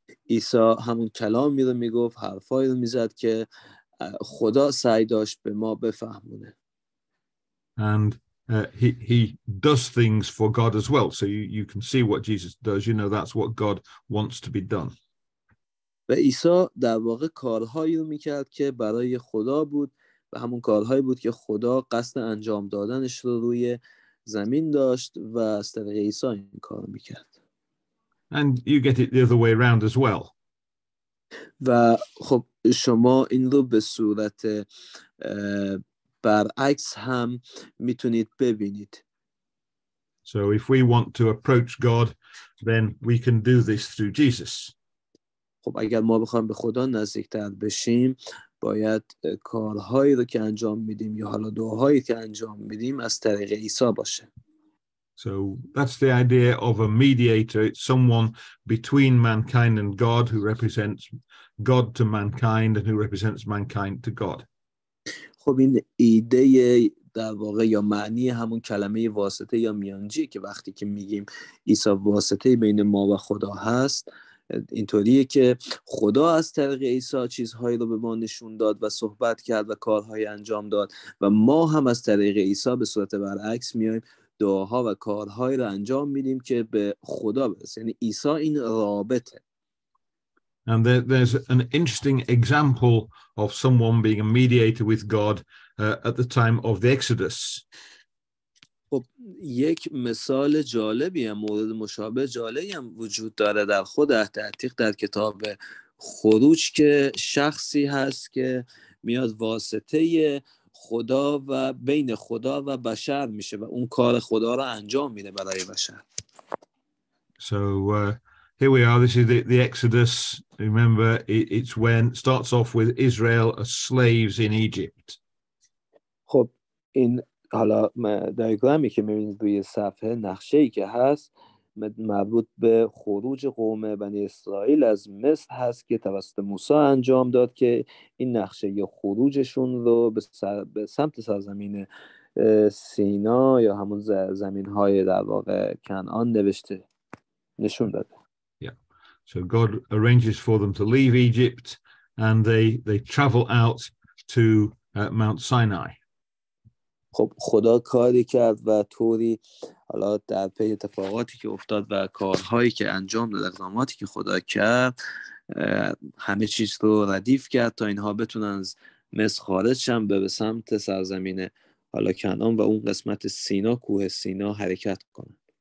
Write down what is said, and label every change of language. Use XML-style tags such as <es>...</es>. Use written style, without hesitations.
<fa>عیسی همون کلامی رو میگفت، حرفایی رو میزد که خدا سعی داشت به ما بفهمونه.</fa> <en>And he does things for God as well. So you can see what Jesus does. You know that's what God wants to be done.</en> <fa>و عیسی در واقع کارهایی رو میکرد که برای خدا بود و همون کارهایی بود که خدا قصد انجام دادنش رو روی زمین داشت و از طریق عیسی این کار میکرد.</fa> <en>And you get it the other way around as well.</en> <fa>و خب شما این رو به صورت برعکس هم میتونید ببینید.</fa> <en>So if we want to approach God, then we can do this through Jesus.</en> <fa>خب اگر ما بخوایم به خدا نزدیکتر بشیم، باید کارهایی رو که انجام میدیم یا حالا دعاهایی که انجام میدیم از طریق عیسی باشه.</fa> <en>So that's the idea of a mediator. It's someone between mankind and God who represents God to mankind and who represents mankind to God.</en> <fa>خب این ایده در واقع یا معنی همون کلمه واسطه یا میانجی که وقتی که میگیم عیسی واسطه بین ما و خدا هست، اینطوریه که خدا از طریق عیسی چیزهایی رو به ما نشون داد و صحبت کرد و کارهای انجام داد و ما هم از طریق عیسی به صورت برعکس میایم دعاها و کارهای رو انجام میدیم که به خدا برسه. یعنی عیسی این رابطه.</fa> <en>And there's an interesting example of someone being a mediator with God at the time of the Exodus.</en> <fa>خب یک مثال جالبی هم، مورد مشابه جالبی هم وجود داره در خود عهد عتیق، در کتاب خروج، که شخصی هست که میاد واسطه خدا و بین خدا و بشر میشه و اون کار خدا را انجام میده برای بشر.</fa> <en>So here we are. This is the Exodus. Remember, it's when it starts off with Israel as slaves in Egypt.</en> <fa>خب این حالا دایگرامی که می‌بینید روی صفحه، نقشه‌ای که هست مربوط به خروج قوم بنی اسرائیل از مصر هست که توسط موسی انجام داد، که این نقشه خروجشون رو به سمت سرزمین سینا یا همون زمین‌های در واقع کنعان نوشته نشون داده.</fa> <en>So God arranges for them to leave Egypt and they travel out to Mount Sinai.</en> <fa>خب خدا کاری کرد و طوری حالا در پی اتفاقاتی که افتاد و کارهایی که انجام داد، اقداماتی که خدا کرد، همه چیز رو ردیف کرد تا اینها بتونن از مصر خارج شن به سمت سرزمین حالا کنعان و اون قسمت سینا، کوه سینا حرکت کنن.</fa>